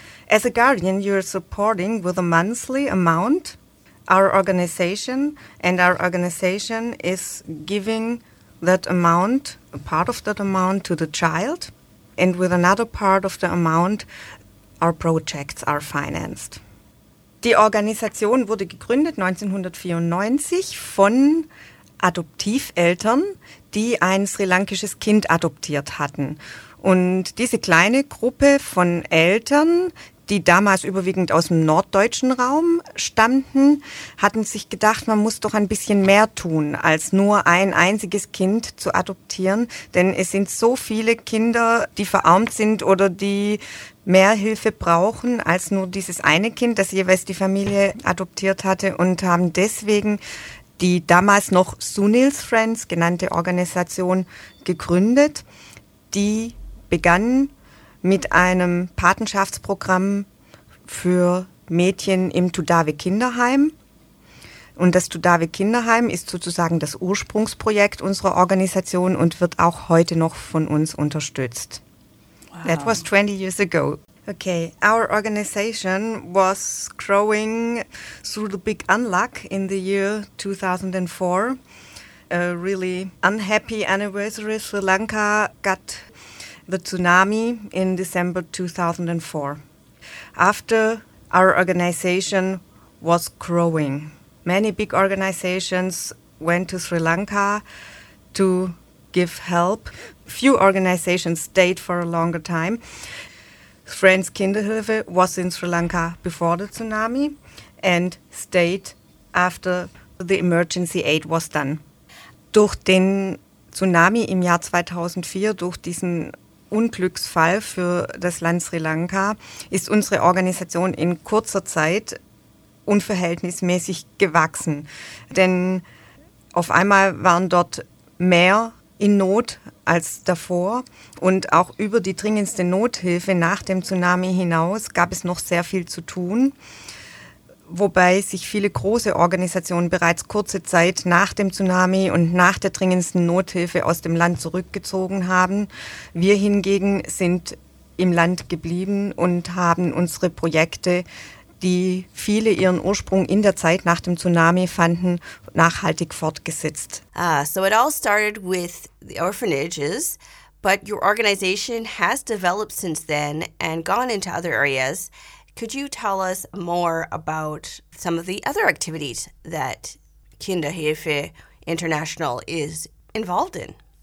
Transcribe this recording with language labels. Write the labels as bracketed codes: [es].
[en] As a guardian, you're supporting with a monthly amount our organization, and our organization is giving that amount, a part of that amount, to the child, and with another part of the amount, our projects are financed. [de] Die Organisation wurde gegründet 1994 von Adoptiveltern, die ein sri-lankisches Kind adoptiert hatten. Und diese kleine Gruppe von Eltern, die damals überwiegend aus dem norddeutschen Raum stammten, hatten sich gedacht, man muss doch ein bisschen mehr tun, als nur ein einziges Kind zu adoptieren. Denn es sind so viele Kinder, die verarmt sind oder die mehr Hilfe brauchen als nur dieses eine Kind, das jeweils die Familie adoptiert hatte, und haben deswegen die damals noch Sunil's Friends genannte Organisation gegründet. Die begann mit einem Patenschaftsprogramm für Mädchen im Tudave Kinderheim. Und das Tudave Kinderheim ist sozusagen das Ursprungsprojekt unserer Organisation und wird auch heute noch von uns unterstützt. [en] Wow. That was 20 years ago. Okay, our organization was growing through the big unluck in the year 2004. A really unhappy anniversary. Sri Lanka got the tsunami in December 2004. After our organization was growing, many big organizations went to Sri Lanka to give help. Few organizations stayed for a longer time. Friends Kinderhilfe was in Sri Lanka before the tsunami and stayed after the emergency aid was done. [de] Durch den Tsunami im Jahr 2004, durch diesen Unglücksfall für das Land Sri Lanka, ist unsere Organisation in kurzer Zeit unverhältnismäßig gewachsen. Denn auf einmal waren dort mehr in Not als davor, und auch über die dringendste Nothilfe nach dem Tsunami hinaus gab es noch sehr viel zu tun. wobei sich viele große Organisationen bereits kurze Zeit nach dem Tsunami und nach der dringendsten Nothilfe aus dem Land zurückgezogen haben. Wir hingegen sind im Land geblieben und haben unsere Projekte, die viele ihren Ursprung in der Zeit nach dem Tsunami fanden, nachhaltig fortgesetzt. [en] So it all started with the orphanages, but your organization has developed since then and gone into other areas. Could you tell us more about some of the other activities that Kinderhilfe International is involved in?